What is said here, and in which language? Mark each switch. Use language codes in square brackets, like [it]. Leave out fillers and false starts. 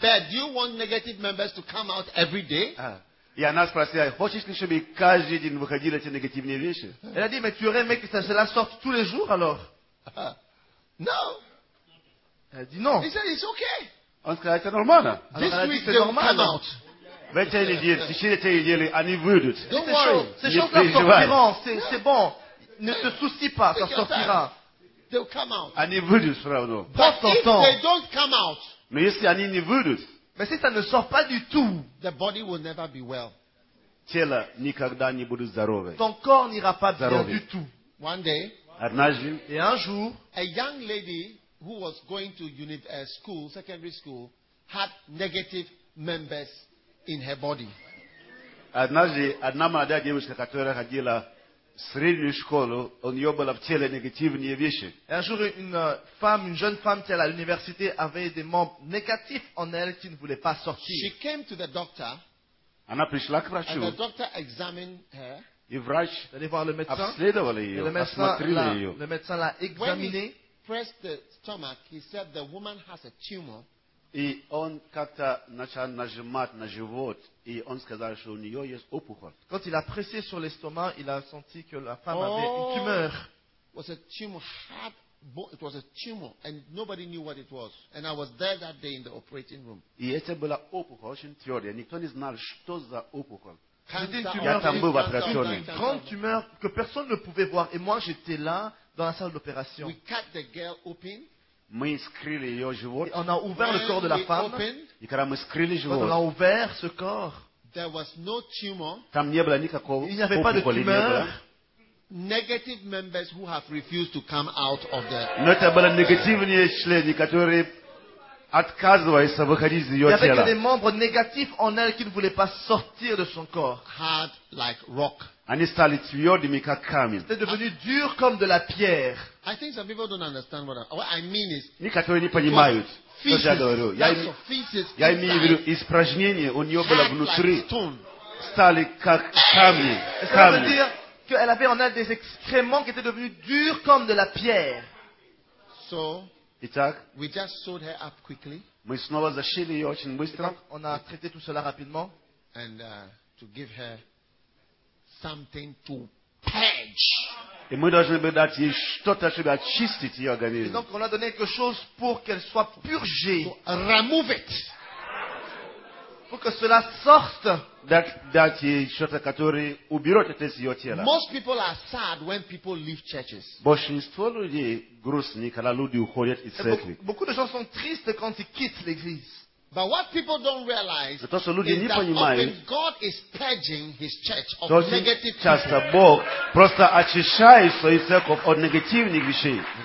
[en] Do you want negative members to come out every day? [ru] И она спросила, хочешь ли, чтобы каждый день выходили эти негативные вещи? [fr] Elle a dit, mais tu aurais aimé que cela sorte tous les jours alors? [en] No. [fr] Elle a dit, non. [en] He said, it's okay. [ru] Он сказал, это нормально. [en] This week they will come out. [ru] В эти недели, в течение этой недели, они выйдут. [fr] Ces choses-là sortiront, c'est bon. Ne te soucie pas, ça sortira. [en] They'll come out. [ru] Они выйдут все равно. [en] But if they don't come out, [fr] mais [ru] если они не выйдут, [fr] mais si ça ne sort pas du tout, [en] the body will never be well. [ru] Тело никогда не будет здоровым. [fr] Ton corps n'ira pas bien du tout. [en] One day, [ru] однажды, [fr] et un jour, [en] a young lady who was going to school, secondary school, had negative members in her body. [ru] Однажды одна молодая девушка, которая ходила в среднюю школу, у нее было в теле негативные вещи. [fr] Un jour, une jeune femme qui était à l'université avait des membres négatifs en elle qui ne voulaient pas sortir. [en] She came to the doctor. [ru] Она пришла к врачу. [en] And the doctor examined her. [ru] И врач обследовал ее, осмотрел ее. [fr] Le médecin l'a examiné. [en] When he pressed the stomach, he said the woman has a tumor. [ru] И он как-то начал нажимать на живот, и он сказал, что у нее есть опухоль. [fr] Quand il a pressé sur l'estomac, il a senti que la femme avait une tumeur. [en] Was a tumor hard. It was a tumor, and nobody knew what it was. And I was there that day in the operating room. [ru] И это была опухоль, очень твердая. Никто не знал, что за опухоль. [fr] C'était une grande tumeur que personne ne pouvait voir. Et moi, j'étais là, dans la salle d'opération. [en] We cut the girl open. [fr] On a ouvert le corps de la femme. Quand on a ouvert ce corps, [en] there was no tumor. [ru] Там не было никакого. [fr] Il n'y avait pas de tumeur. [en] Negative members who have refused to come out of the. [ru] Но это были негативные члены, которые отказывается выходить из ее тела. [fr] Il y avait des membres négatifs en elle qui ne voulaient pas sortir de son corps. [en] Hard like rock. [ru] Они стали твердыми, как камень. [fr] C'était devenu dur comme de la pierre. [en] I think some people don't understand what I mean is. [ru] Некоторые не понимают, что я говорю. Я имею в виду испражнения у нее было внутри. Стали как камни. [fr] Ça veut dire qu'elle avait en elle des excréments qui étaient devenus durs comme de la pierre. [en] So. [ru] Итак, [en] we just sewed her up quickly. [ru] Мы снова зашили ее очень быстро. Итак, [fr] on a traité тout cela рапидement. [en] And to give her something to purge. [ru] И мы должны были дать ей что-то, чтобы очистить ее организм. [fr] Et donc on a donné quelque chose pour qu'elle soit purgée. [en] To remove it. [fr] Pour que cela sorte. [ru] Дать ей что-то, которое уберет это из ее тела. [en] Most people are sad when people leave churches. [ru] Большинство людей грустны, когда люди уходят из церкви. [fr] Beaucoup de gens sont tristes quand ils quittent l'église. [en] But what people don't realize is that often God is purging His church of negative people. [ru] Бог просто очищает свою церковь от негативных вещей.